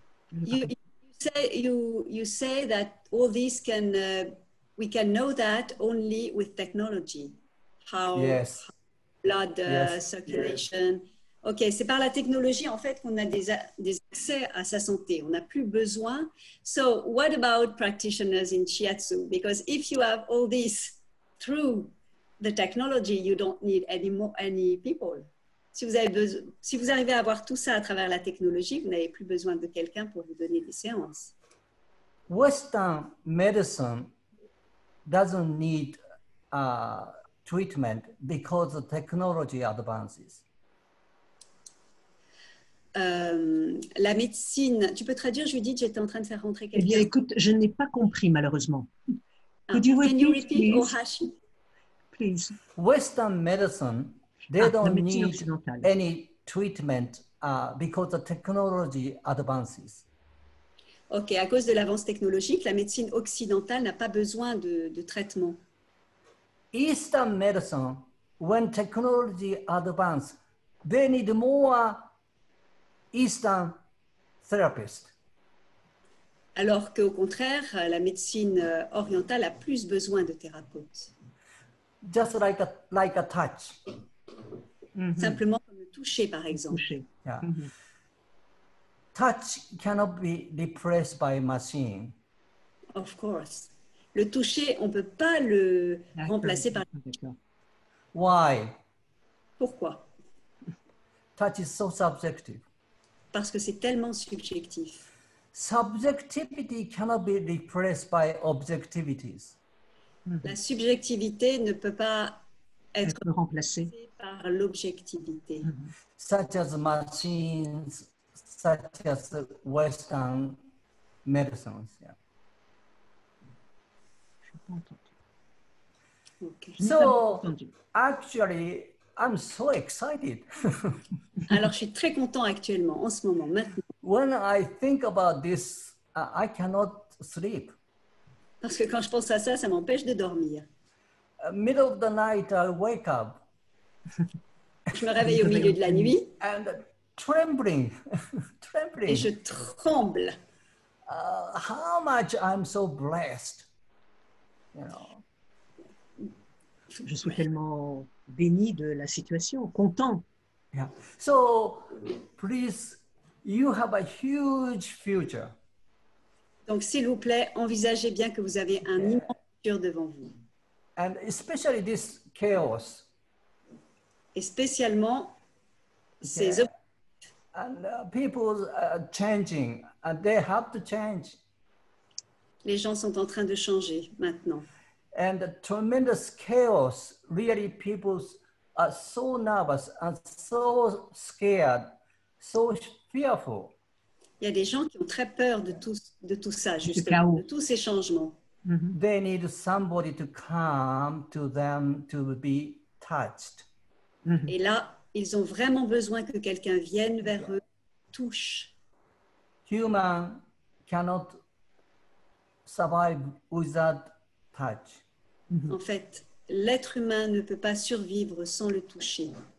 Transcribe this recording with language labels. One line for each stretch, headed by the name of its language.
English: You say that all this can we can know that only with technology. How yes. Blood yes. circulation. Yes.
French: Ok, c'est par la technologie en fait qu'on a des accès à sa santé. On n'a plus besoin.
English: So, what about practitioners in shiatsu? Because if you have all this through the technology, you don't need any people.
French: Si vous avez si vous arrivez à voir tout ça à travers la technologie, vous n'avez plus besoin de quelqu'un pour vous donner des séances.
English: Western medicine doesn't need treatment because the technology advances.
French: La médecine, tu peux traduire, Judith, j'étais en train de faire rentrer quelqu'un. Eh bien, écoute, je n'ai pas compris, malheureusement.
English: Western medicine, they don't need any treatment because the technology advances.
French: Ok, à cause de l'avance technologique, la médecine occidentale n'a pas besoin de traitement.
English: Eastern medicine, when technology advances, they need more Eastern therapist.
French: Alors qu'au contraire, la médecine orientale a plus besoin de thérapeutes.
English: Just like a touch.
French: Mm-hmm. Simplement comme le toucher, par exemple. Toucher.
English: Yeah. Mm-hmm. Touch cannot be replaced by machine. Of course.
French: Le toucher, on ne peut pas le remplacer par.
English: Why?
French: Pourquoi?
English: Touch is so subjective.
French: Parce que c'est tellement subjectif.
English: Subjectivity cannot be replaced by objectivities.
French: La subjectivité ne peut pas être remplacée par l'objectivité.
English: Such as machines, such as Western medicines. Yeah. Okay. So, actually, I'm so excited.
French: Alors, je suis très content actuellement, en ce moment, maintenant.
English: When I think about this, I cannot sleep.
French: Parce que quand je pense à ça, ça m'empêche de dormir.
English: Middle of the night, I wake up.
French: Je me réveille au milieu de la nuit.
English: And trembling.
French: Et je tremble.
English: How much I'm so blessed. You know.
French: Je suis tellement béni de la situation, content.
English: Yeah. So, please, you have a huge future.
French: Donc, s'il vous plaît, envisagez bien que vous avez un immense futur devant vous.
English: And especially this chaos.
French: Et spécialement ces
English: And people are changing, and they have to change.
French: Les gens sont en train de changer maintenant.
English: And the tremendous chaos, really people are so nervous and so scared, so fearful.
French: Il y a des gens qui ont très peur de tout ça, justement, de tous ces changements. Mm-hmm.
English: They need somebody to come to them to be touched. Mm-hmm.
French: Et là, ils ont vraiment besoin que quelqu'un vienne vers eux, touche.
English: Human cannot survive without touch. Mm-hmm.
French: En fait, l'être humain ne peut pas survivre sans le toucher.